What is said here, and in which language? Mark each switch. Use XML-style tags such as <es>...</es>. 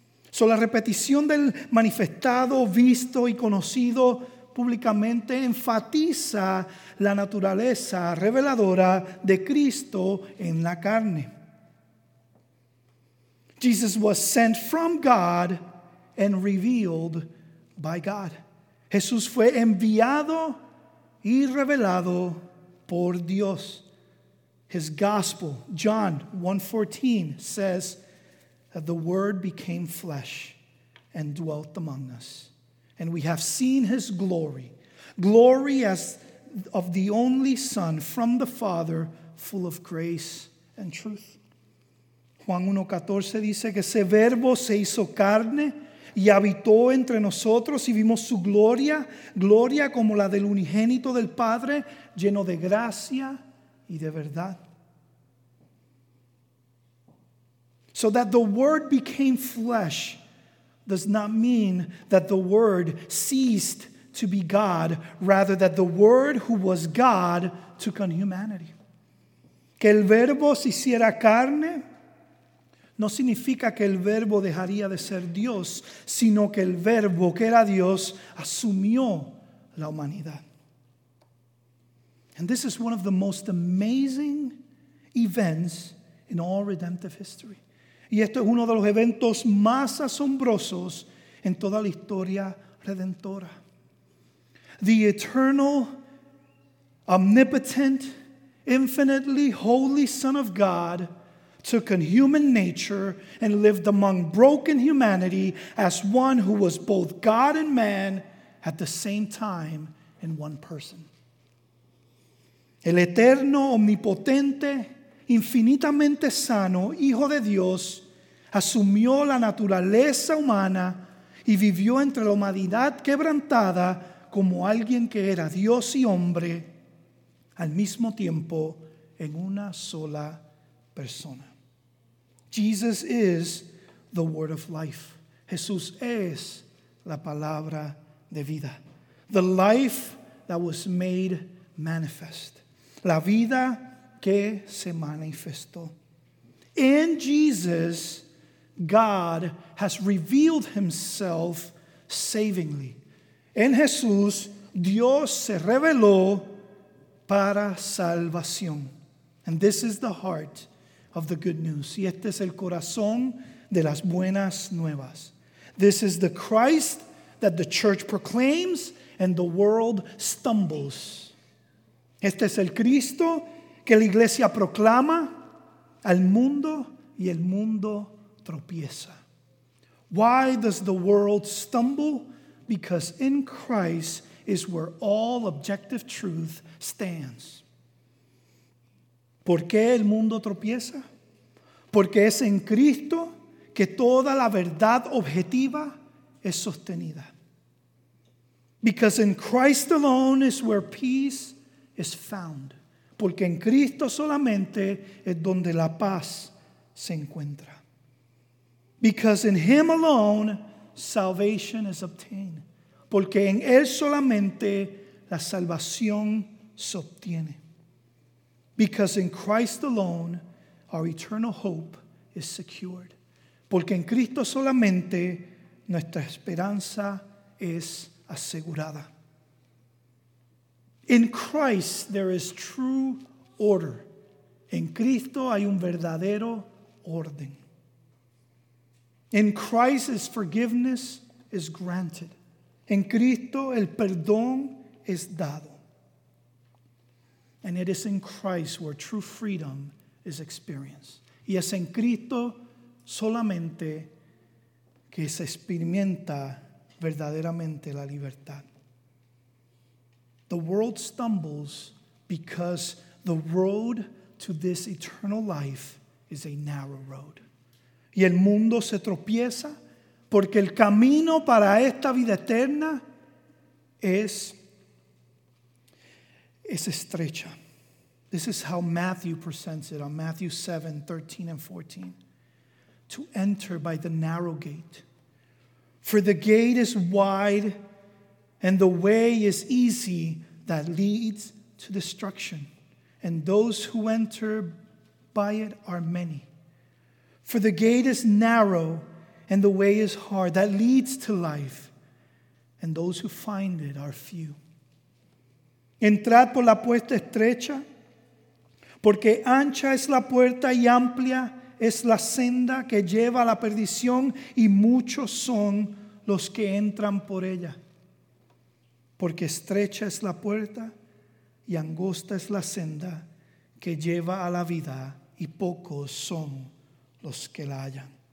<es>So la repetición del manifestado, visto y conocido públicamente enfatiza la naturaleza reveladora de Cristo en la carne.</es> <en>Jesus was sent from God and revealed by God.</en> <es>Jesús fue enviado y revelado por Dios.</es> <en>His gospel, John 1:14, says that the Word became flesh and dwelt among us. And we have seen his glory, glory as of the only Son from the Father, full of grace and truth.</en> <es>Juan 1:14 dice que ese verbo se hizo carne y habitó entre nosotros y vimos su gloria, gloria como la del unigénito del Padre, lleno de gracia y de verdad.</es> <en>So that the Word became flesh does not mean that the Word ceased to be God, rather that the Word who was God took on humanity.</en> <es>Que el verbo se hiciera carne no significa que el verbo dejaría de ser Dios, sino que el verbo que era Dios asumió la humanidad.</es> <en>And this is one of the most amazing events in all redemptive history.</en> <es>Y esto es uno de los eventos más asombrosos en toda la historia redentora.</es> <en>The eternal, omnipotent, infinitely holy Son of God took on human nature and lived among broken humanity as one who was both God and man at the same time in one person.</en> <es>El eterno, omnipotente, infinitamente sano, Hijo de Dios, asumió la naturaleza humana y vivió entre la humanidad quebrantada como alguien que era Dios y hombre al mismo tiempo en una sola persona.</es> <en>Jesus is the Word of Life.</en> <es>Jesús es la palabra de vida.</es> <en>The life that was made manifest.</en> <es>La vida que se manifestó.</es> <en>In Jesus, God has revealed himself savingly.</en> <es>En Jesús, Dios se reveló para salvación.</es> <en>And this is the heart of the good news.</en> <es>Y este es el corazón de las buenas nuevas.</es> <en>This is the Christ that the church proclaims and the world stumbles.</en> <es>Este es el Cristo que la iglesia proclama al mundo y el mundo tropieza.</es> <en>Why does the world stumble? Because in Christ is where all objective truth stands.</en> <es>¿Por qué el mundo tropieza? Porque es en Cristo que toda la verdad objetiva es sostenida.</es> <en>Because in Christ alone is where peace is found.</en> <es>porque en Cristo solamente es donde la paz se encuentra.</es> <en>Because in him alone, salvation is obtained.</en> <es>Porque en él solamente la salvación se obtiene.</es> <en>Because in Christ alone, our eternal hope is secured.</en> <es>Porque en Cristo solamente nuestra esperanza es asegurada.</es> <en>In Christ, there is true order.</en> <es>En Cristo hay un verdadero orden.</es> <en>In Christ, his forgiveness is granted.</en> <es>En Cristo, el perdón es dado.</es> <en>And it is in Christ where true freedom is experienced.</en> <es>Y es en Cristo solamente que se experimenta verdaderamente la libertad.</es> <en>The world stumbles because the road to this eternal life is a narrow road.</en> <es>Y el mundo se tropieza porque el camino para esta vida eterna es estrecha.</es> <en>This is how Matthew presents it on Matthew 7, 13 and 14. To enter by the narrow gate. For the gate is wide and the way is easy that leads to destruction. And those who enter by it are many. For the gate is narrow and the way is hard that leads to life. And those who find it are few.</en> <es>Entrad por la puerta estrecha. Porque ancha es la puerta y amplia es la senda que lleva a la perdición y muchos son los que entran por ella. Porque estrecha es la puerta y angosta es la senda que lleva a la vida y pocos son los que la hallan.</es>